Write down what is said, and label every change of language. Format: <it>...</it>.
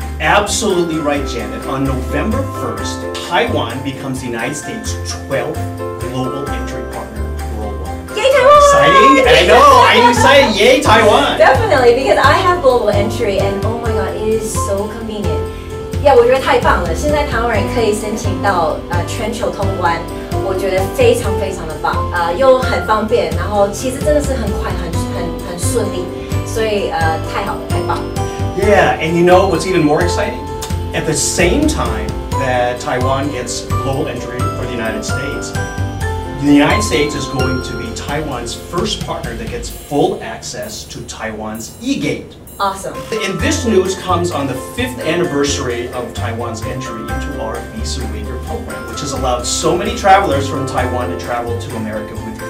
<en>Absolutely right, Janet. On November 1st, Taiwan becomes the United States' 12th global entry partner worldwide. Yay, Taiwan! Exciting! I know! I'm excited! Yay, Taiwan! Definitely, because I have global entry, and oh my god, it is so convenient.</en> <zh>Yeah, 我觉得太棒了。现在台湾人可以申请到全球通关，我觉得非常非常的棒，又很方便，然后其实真的是很快，很顺利，所以太好了，太棒。</zh> <en>Yeah, and you know what's even more exciting? At the same time that Taiwan gets global entry for the United States, the United States is going to be Taiwan's first partner that gets full access to Taiwan's e-gate. Awesome. And this news comes on the 5th anniversary of Taiwan's entry into our visa waiver program, which has allowed so many travelers from Taiwan to travel to America with ease.</en>